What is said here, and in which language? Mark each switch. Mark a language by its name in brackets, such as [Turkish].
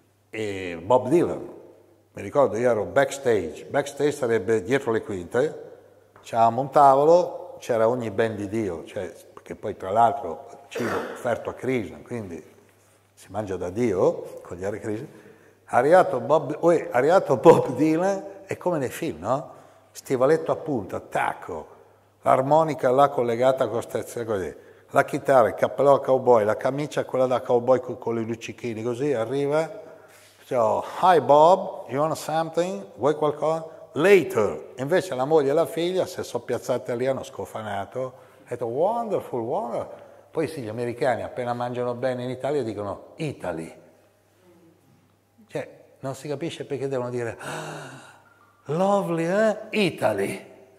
[Italian] E Bob Dylan, mi ricordo, io ero backstage sarebbe dietro le quinte, c'eravamo un tavolo, c'era ogni ben di Dio, cioè, perché poi tra l'altro cibo offerto a Krishna, quindi si mangia da Dio con gli Hare Krishna. Arrivato Bob Dylan, è come nei film, no? Stivaletto a punta, tacco, l'armonica là collegata con stessa, così, la chitarra, il cappello da cowboy, la camicia quella da cowboy con i luccichini, così arriva. Ciao, [English] hi Bob, you want something? [Italian] Vuoi qualcosa? Later. Invece la moglie e la figlia si sono piazzate lì, hanno scofanato. Ha detto, [English] wonderful, wonderful. [Italian] Poi sì, gli americani appena mangiano bene in Italia dicono, Italy. Cioè, non si capisce perché devono dire, [English] ah, lovely, [Italian] eh? Italy.